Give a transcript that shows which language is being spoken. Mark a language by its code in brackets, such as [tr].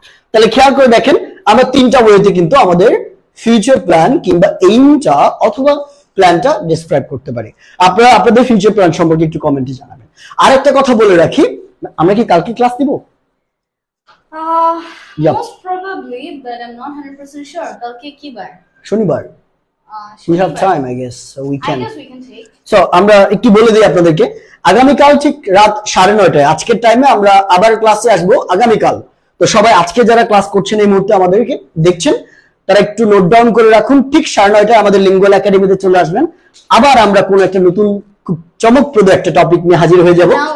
[bn] তাহলে খেয়াল করে দেখেন আমরা তিনটা ওয়েতে কিন্তু আমাদের ফিউচার প্ল্যান কিংবা এইমটা অথবা প্ল্যানটা ডিসক্রাইব করতে পারি। আপনারা আপনাদের ফিউচার প্ল্যান সম্পর্কে একটু কমেন্টে জানাবেন। আরেকটা কথা বলে রাখি, আমরা কি কালকে ক্লাস দিব, [en] most probably, but I'm not 100% sure. [bn] কালকে কি বার? শনিবার। [en] We have time, I guess, so we can. I guess we can take. [bn] So, আমরা একটু বলে দিই আপনাদেরকে, আগামীকাল ঠিক রাত 9:30টায় আজকের টাইমে আমরা আবার ক্লাসে আসবো আগামীকাল। তো সবাই আজকে যারা ক্লাস করছেন এই মুহূর্তে আমাদেরকে দেখছেন, তারা একটু নোট ডাউন করে রাখুন, ঠিক 9:30টায় আমাদের লিঙ্গুয়াল একাডেমিতে চলে আসবেন। আবার আমরা কোন একটা নতুন খুব চমকপ্রদ একটা টপিক নিয়ে হাজির হয়ে যাব।